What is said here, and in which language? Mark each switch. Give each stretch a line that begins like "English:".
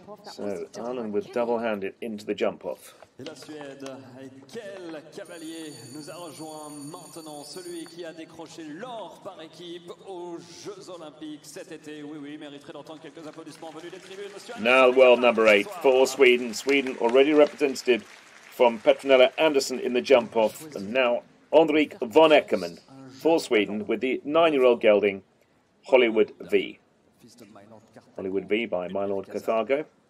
English: So Ireland with double handed into the jump off.
French: Et la Suède, et quel cavalier nous a rejoint maintenant, celui qui a décroché l'or par équipe aux Jeux Olympiques cet été. Oui, oui, mériterait d'entendre quelques applaudissements venus des tribunes.
English: Now world number 8 for Sweden. Sweden already represented from Petronella Andersson in the jump off. And now Henrik von Eckermann for Sweden with the 9-year-old gelding Hollywood V. Hollywood V by My Lord Carthago.